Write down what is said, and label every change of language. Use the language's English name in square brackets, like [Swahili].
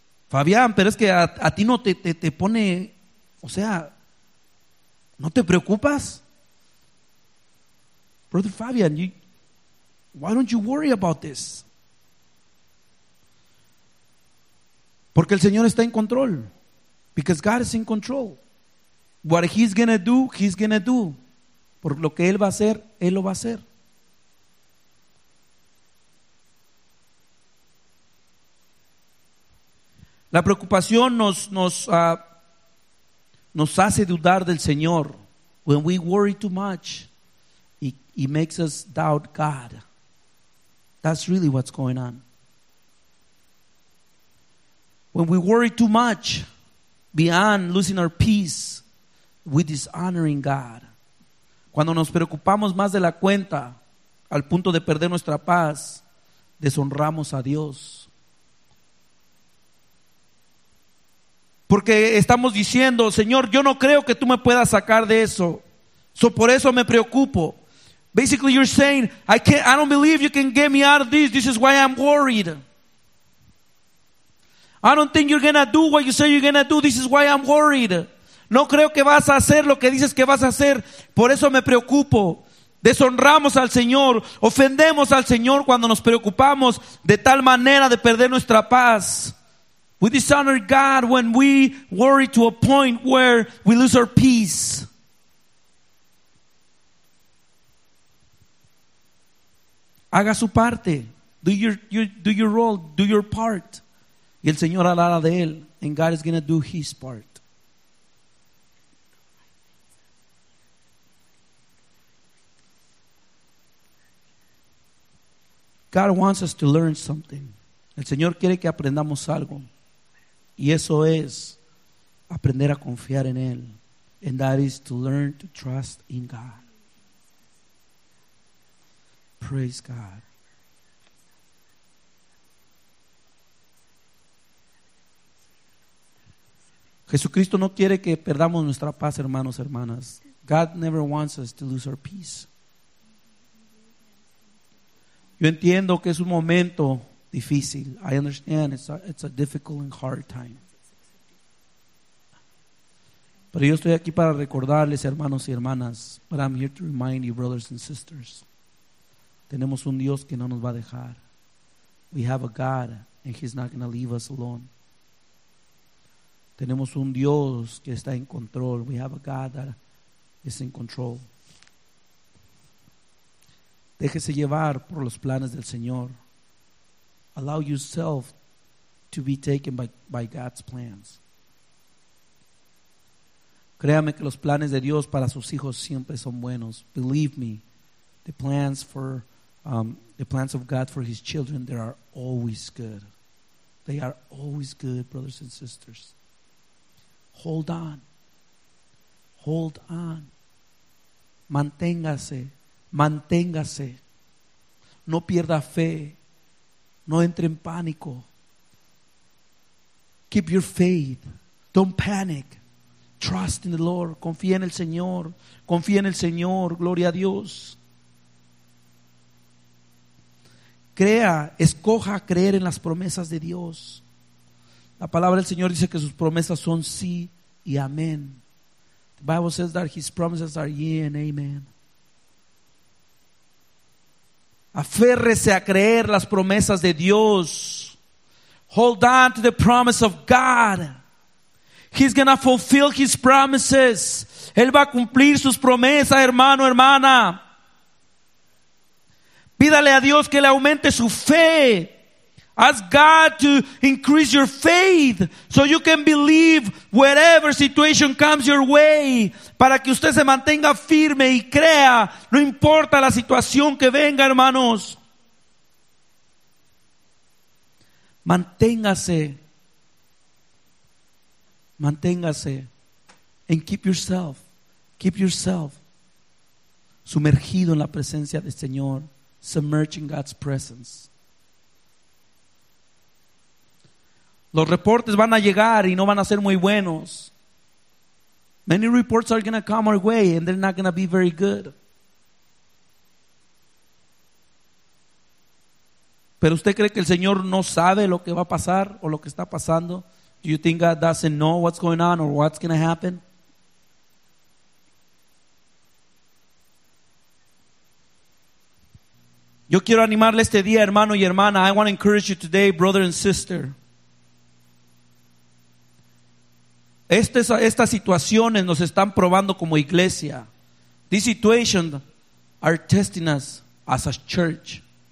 [Spanish] Fabián, pero es que a ti no te pone, o sea, ¿no te preocupas? [English] Brother Fabián, why don't you worry about this? [Spanish] Porque el Señor está en control. [English] Because God is in control. What He's gonna do, He's gonna do. [Spanish] Por lo que Él va a hacer, Él lo va a hacer. La preocupación nos hace dudar del Señor. [English] When we worry too much, it makes us doubt God. That's really what's going on. When we worry too much, beyond losing our peace, we're dishonoring God. [Spanish] Cuando nos preocupamos más de la cuenta, al punto de perder nuestra paz, deshonramos a Dios. Porque estamos diciendo, Señor, yo no creo que tú me puedas sacar de eso. So por eso me preocupo. [English] Basically you're saying, I don't believe you can get me out of this. This is why I'm worried. I don't think you're gonna do what you say you're gonna do. This is why I'm worried. [Spanish] No creo que vas a hacer lo que dices que vas a hacer. Por eso me preocupo. Deshonramos al Señor. Ofendemos al Señor cuando nos preocupamos de tal manera de perder nuestra paz. [English] We dishonor God when we worry to a point where we lose our peace. [Spanish] Haga su parte. [English] Do your role. Do your part. [Spanish] Y el Señor hará de él. [English] And God is going to do His part. God wants us to learn something. [Spanish] El Señor quiere que aprendamos algo. Y eso es aprender a confiar en Él. [English] And that is to learn to trust in God. Praise God. [Spanish] Jesucristo no quiere que perdamos nuestra paz, hermanos, hermanas. [English] God never wants us to lose our peace. [Spanish] Yo entiendo que es un momento difícil. [English] I understand it's a difficult and hard time. [Spanish] Pero yo estoy aquí para recordarles, hermanos y hermanas. [English] But I'm here to remind you, brothers and sisters. [Spanish] Tenemos un Dios que no nos va a dejar. [English] We have a God and He's not going to leave us alone. [Spanish] Tenemos un Dios que está en control. [English] We have a God that is in control. [Spanish] Déjese llevar por los planes del Señor. [English] Allow yourself to be taken by God's plans. [Spanish] Créame que los planes de Dios para sus hijos siempre son buenos. [English] Believe me, the plans of God for His children, they are always good. They are always good, brothers and sisters. Hold on. Hold on. [Spanish] Manténgase. Manténgase. No pierda fe. No entre en pánico. [English] Keep your faith. Don't panic. Trust in the Lord. [Spanish] Confía en el Señor. Confía en el Señor. Gloria a Dios. Crea, escoja creer en las promesas de Dios. La palabra del Señor dice que sus promesas son sí y amén. [English] The Bible says that His promises are yea and amen. [Spanish] Aférrese a creer las promesas de Dios. [English] Hold on to the promise of God. He's gonna fulfill His promises. [Spanish] Él va a cumplir sus promesas, hermano, hermana. Pídale a Dios que le aumente su fe. [English] Ask God to increase your faith so you can believe whatever situation comes your way. [Spanish] Para que usted se mantenga firme y crea, no importa la situación que venga, hermanos. Manténgase. Manténgase. [English] And keep yourself. Keep yourself [Spanish] sumergido en la presencia del Señor. [English] Submerging God's presence. [Spanish] Los reportes van a llegar y no van a ser muy buenos. [English] Many reports are going to come our way and they're not going to be very good. [Spanish] ¿Pero usted cree que el Señor no sabe lo que va a pasar o lo que está pasando? [English] Do you think God doesn't know what's going on or what's going to happen? [Spanish] Yo quiero animarle este día, hermano y hermana. [English] I want to encourage you today, brother and sister. [Spanish] Estas situaciones nos están probando como iglesia. [English] These situations are testing us as a church.